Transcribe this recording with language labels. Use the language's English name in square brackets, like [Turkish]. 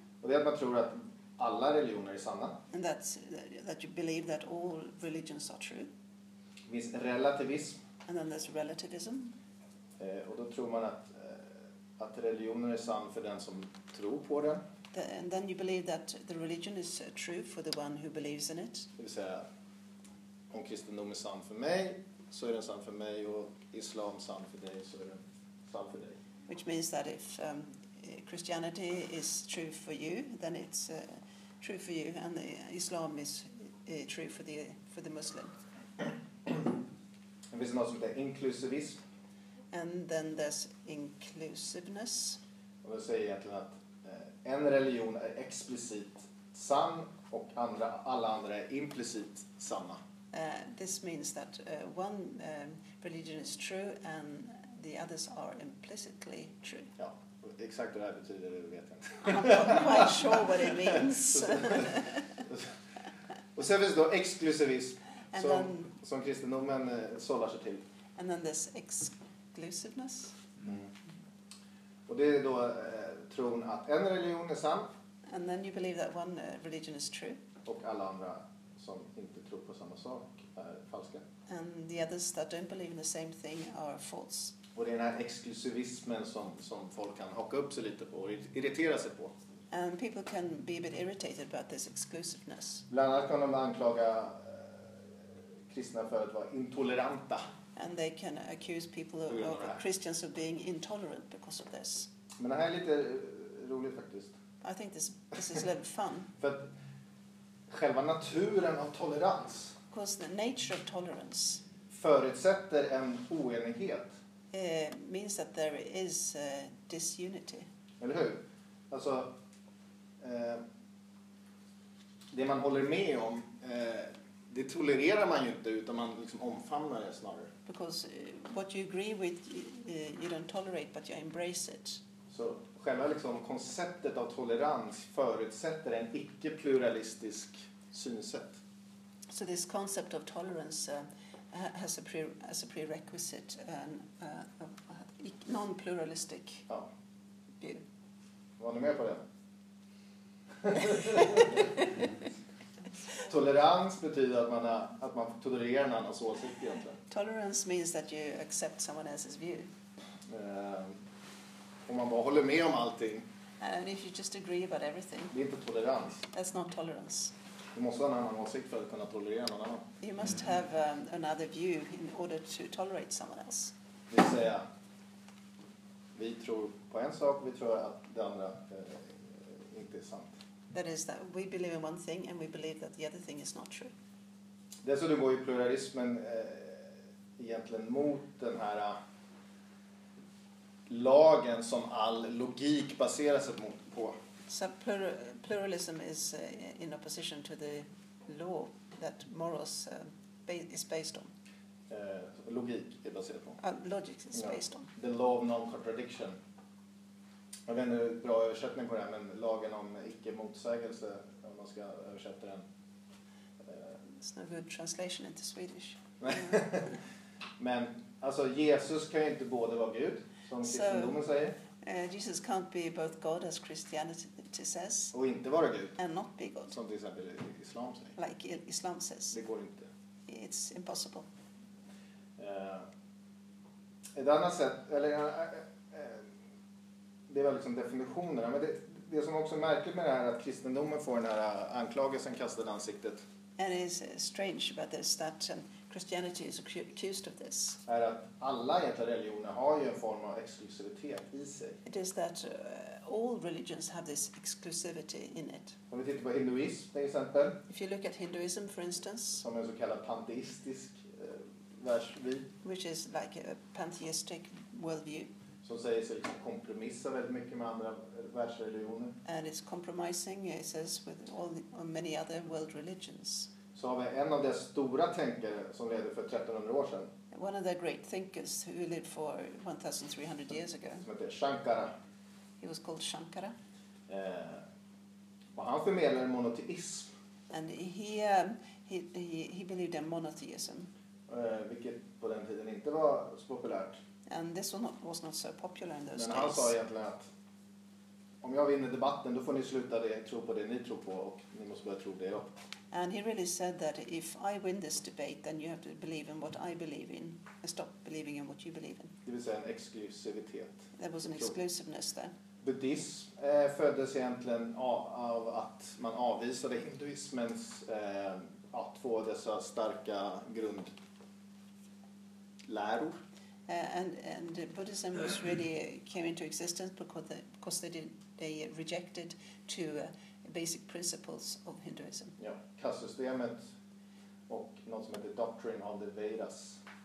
[Swedish] Och det är att man tror att alla religioner är sanna. [English] And that you believe that all religions are true. [Swedish] Det finns relativism. [English] And then there's relativism. [Swedish] Och då tror man att religionen är sann för den som tror på den. [English] And then you believe that the religion is true for the one who believes in it. [Swedish] Det vill säga, om kristendom är sann för mig så är den sann för mig, och islam sann för dig så är den sann för dig. [English] Which means that if Christianity is true for you, then it's true for you, and Islam is true for the Muslim. [Swedish] Det finns något som heter inklusivism. [English] And then there's inclusiveness. [Swedish] Och det säger egentligen att en religion är explicit sann och alla andra är implicit sanna. [English] This means that one religion is true and the others are implicitly true. [Swedish] Ja. Exakt vad det här betyder, det vet jag inte. [English] I'm not quite sure what it means. [Swedish] Och sen finns det då exklusivism som kristendomen sållar sig till. [English] And then there's exclusiveness. Mm. [Swedish] Och det är då tron att en religion är sann. [English] And then you believe that one religion is true. [Swedish] Och alla andra som inte tror på samma sak är falska. [English] And the others that don't believe in the same thing are false. [Swedish] Och det är den här exklusivismen som folk kan haka upp sig lite på och irritera sig på. [English] And people can be a bit irritated about this exclusiveness. [Swedish] Bland annat kan de anklaga kristna för att vara intoleranta. [English] And they can accuse people of Christians of being intolerant because of this. [Swedish] Men det här är lite roligt faktiskt. [English] I think this is a little fun. [Swedish] För att själva naturen av tolerans. [English] Because the nature of tolerance. [Swedish] Förutsätter en oenighet. [English] Means that there is disunity. [Swedish] Eller hur? Alltså, det man håller med om, det tolererar man ju inte, utan man liksom omfamnar det snarare. [English] Because what you agree with, you don't tolerate, but you embrace it. [Swedish] Så själva liksom konceptet av tolerans förutsätter en icke-pluralistisk synsätt. [English] So this concept of tolerance has a prerequisite, a non-pluralistic view. [Swedish] Var ni med på det? Tolerans betyder att man tolererar en annans åsikt egentligen. [English] Tolerance means that you accept someone else's view. [Swedish] Om man bara håller med om allting. [English] And if you just agree about everything. [Swedish] Det är inte tolerans. [English] That's not tolerance. [Swedish] Du måste ha en annan åsikt för att kunna tolerera någon annan. [English] You must have another view in order to tolerate someone else. [Swedish] Det vill säga, vi tror på en sak, vi tror att det andra inte är sant. [English] That is that we believe in one thing and we believe that the other thing is not true. [Swedish] Dessutom går ju pluralismen egentligen mot den här lagen som all logik baserar sig på. [English] So pluralism is in opposition to the law that morals is based on. [Swedish] Logik är baserad på. [English] Logic is based on. The law of non-contradiction. [Swedish] Jag vet inte hur bra översättning på det här, men lagen om icke-motsägelse, om man ska översätta den. [English] It's no good translation into Swedish. [Swedish] Men, alltså, Jesus kan ju inte både vara Gud, som kristendomen säger. [English] Jesus can't be both God, as Christianity says. [Swedish] Och inte vara Gud. [English] And not be God. [Swedish] Som till exempel Islam säger. [English] Like Islam says. [Swedish] Det går inte. [English] It's impossible. [Swedish] Ett annat sätt, eller... Det är väl liksom definitionerna, men det som också är märkligt med det här är att kristendomen får den här anklagelsen kastad i ansiktet. [English] And it's strange about this that Christianity is accused of this. [Swedish] Är att alla egentliga religioner har ju en form av exklusivitet i sig. [English] It is that all religions have this exclusivity in it. [Swedish] Om vi tittar på hinduism till exempel. [English] If you look at Hinduism for instance. [Swedish] Som är så kallad panteistisk världsvid. [English] Which is like a pantheistic worldview. [Swedish] Som säger sig liksom kompromissa väldigt mycket med andra världsreligioner. [English] And it's compromising, it says, with all many other world religions. [Swedish] Så har vi en av de stora tänkare som levde för 1300 år sedan. [English] One of the great thinkers who lived for 1300 years ago. [Swedish] Som heter Shankara. [English] He was called Shankara. [Swedish] Och han förmedlade monoteism. [English] And he believed in monotheism. [Swedish] Vilket på den tiden inte var så populärt. [English] And this was not so popular in those days. [Swedish] Men han sa egentligen att om jag vinner debatten, då får ni sluta det, tro på det ni tror på och ni måste börja tro det då. [English] And he really said that if I win this debate, then you have to believe in what I believe in and stop believing in what you believe in. [Swedish] Det vill säga en exklusivitet. [English] There was an exclusiveness there. [Swedish] Buddhism föddes egentligen av att man avvisade hinduismens två av dessa starka grundläror. [English] And Buddhism was really came into existence because they rejected two basic principles of Hinduism. [Swedish] Ja, kastsystemet och något som heter [English] doctrine of the Vedas.